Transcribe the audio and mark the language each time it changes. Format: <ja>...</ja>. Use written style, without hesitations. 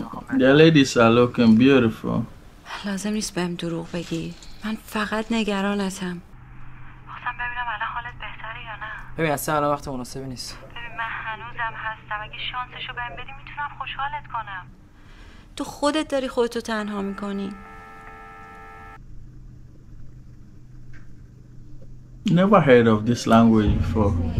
<en>The ladies are looking beautiful.</en> <fa>لازم نیست بهم دروغ بگی. من فقط نگرانتم. خواستم ببینم الان حالت بهتره یا نه. ببین اصلا الان وقت مناسبی نیست. ببین من هنوزم هستم. اگه شانسشو بهم بدی میتونم خوشحالت کنم. تو خودت داری خودتو تنها میکنی.</fa> <en>Never heard of this language before.</en>